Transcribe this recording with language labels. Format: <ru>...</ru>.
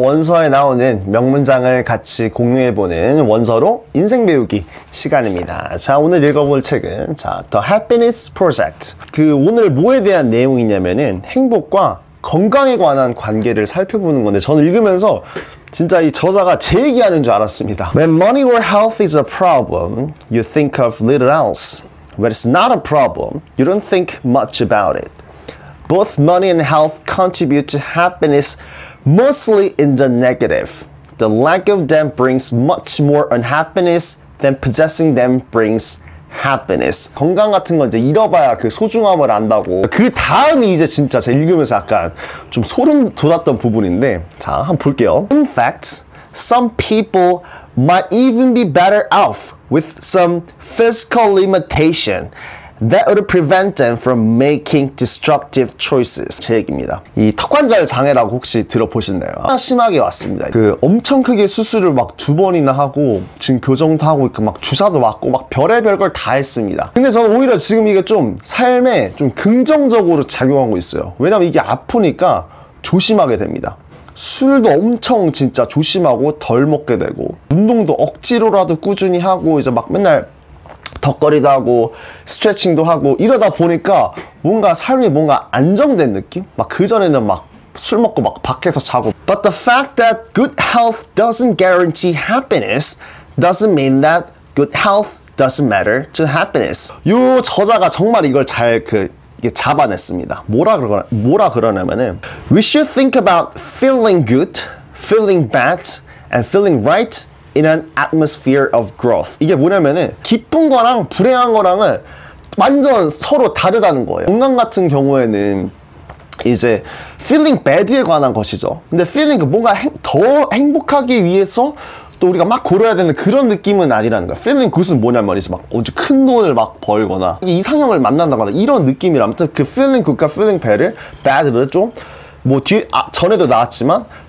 <ko>원서에 나오는 명문장을 같이 공유해보는 원서로 인생 배우기 시간입니다. 자, 오늘 읽어볼 책은 The Happiness Project. 그 오늘 뭐에 대한 내용이냐면은 행복과 건강에 관한 관계를 살펴보는 건데 저는 읽으면서 진짜 이 저자가 제 얘기하는 줄 알았습니다.</ko> <en>When money or health is a problem, you think of little else. When it's not a problem, you don't think much about it. Both money and health contribute to happiness mostly in the negative. The lack of them brings much more unhappiness than possessing them brings happiness.</en> <ko>건강 같은 건 이제 잃어봐야 그 소중함을 안다고. 그 다음이 이제 진짜 제가 읽으면서 약간 좀 소름 돋았던 부분인데 자, 한번 볼게요.</ko> <en>In fact, some people might even be better off with some physical limitation that would prevent them from making destructive choices.</en> <ko>제 얘기입니다. 이 턱관절 장애라고 혹시 들어보셨나요? 심하게 왔습니다. 그 엄청 크게 수술을 막 두 번이나 하고 지금 교정도 하고 있고 막 주사도 맞고 막 별의별 걸 다 했습니다. 근데 저는 오히려 지금 이게 좀 삶에 좀 긍정적으로 작용하고 있어요. 왜냐면 이게 아프니까 조심하게 됩니다. 술도 엄청 진짜 조심하고 덜 먹게 되고 운동도 억지로라도 꾸준히 하고 이제 막 맨날 덕거리도 하고 스트레칭도 하고 이러다 보니까 뭔가 삶이 뭔가 안정된 느낌? 막 그전에는 막 술 먹고 막 밖에서 자고</ko> <en>But the fact that good health doesn't guarantee happiness doesn't mean that good health doesn't matter to happiness.</en> <ko>요 저자가 정말 이걸 잘 잡아냈습니다. 뭐라 그러냐면은</ko> <en>We should think about feeling good, feeling bad, and feeling right in an atmosphere of growth.</en> <ko>이게 뭐냐면은 기쁜 거랑 불행한 거랑은 완전 서로 다르다는 거예요. 건강 같은 경우에는 이제 feeling bad에 관한 것이죠. 근데 feeling 뭔가 더 행복하기 위해서 또 우리가 막 고려해야 되는 그런 느낌은 아니라는 거예요. feeling good은 뭐냐면 이제 막 언제 큰 돈을 막 벌거나 이상형을 만난다거나 이런 느낌이라면 그 feeling good과 feeling bad을 bad를 좀 뭐 뒤에 전에도 나왔지만</ko>